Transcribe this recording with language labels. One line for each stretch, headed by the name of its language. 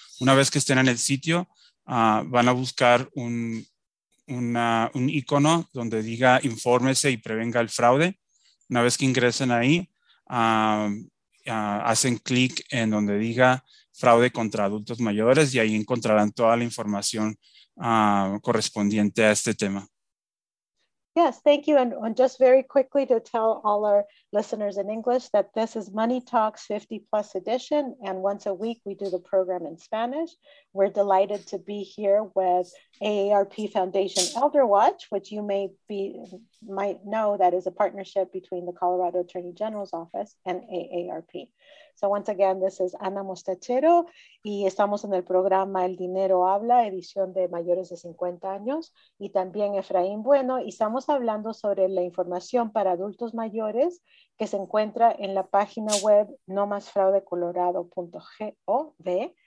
Spanish: Una vez que estén en el sitio, van a buscar un icono donde diga infórmese y prevenga el fraude. Una vez que ingresen ahí, hacen clic en donde diga fraude contra adultos mayores y ahí encontrarán toda la información correspondiente a este tema.
English: Yes, thank you. And just very quickly to tell all our listeners in English that this is Money Talks 50 Plus Edition. And once a week, we do the program in Spanish. We're delighted to be here with AARP Foundation Elder Watch, which you might know that is a partnership between the Colorado Attorney General's Office and AARP. So once again, this is
Spanish: Ana Mostachero y estamos en el programa El Dinero Habla, edición de mayores de 50 años, y también Efraín Bueno, y estamos hablando sobre la información para adultos mayores que se encuentra en la página web nomasfraudecolorado.gov.